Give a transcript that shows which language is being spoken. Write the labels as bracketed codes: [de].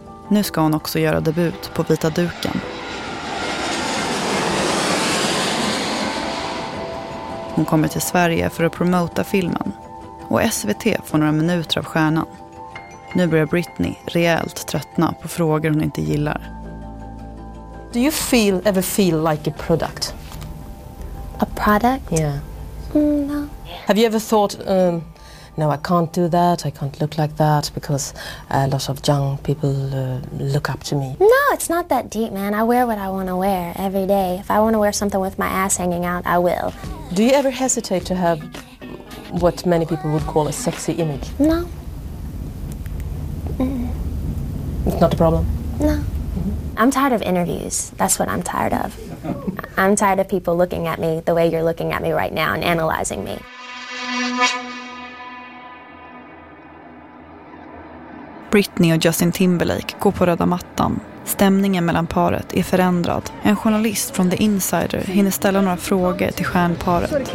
[sv] Nu ska hon också göra debut på vita duken. Hon kommer till Sverige för att promota filmen. Och SVT får några minuter av stjärnan. Nu börjar Britney rejält tröttna på frågor hon inte gillar. [en] Do you feel ever feel like a product? A product? Yeah. No. Have you ever thought, no, I can't do that, I can't look like that because a lot of young people look up to me. No, it's not that deep, man. I wear what I want to wear every day. If I want to wear something with my ass hanging out, I will. Do you ever hesitate to have what many people would call a sexy image? No. It's not a problem? No. Mm-hmm. I'm tired of interviews. That's what I'm tired of. I'm tired of people looking at me the way you're looking at me right now and analyzing me. [sv] Britney och Justin Timberlake går på röda mattan. Stämningen mellan paret är förändrad. En journalist från The Insider hinner ställa några frågor till stjärnparet.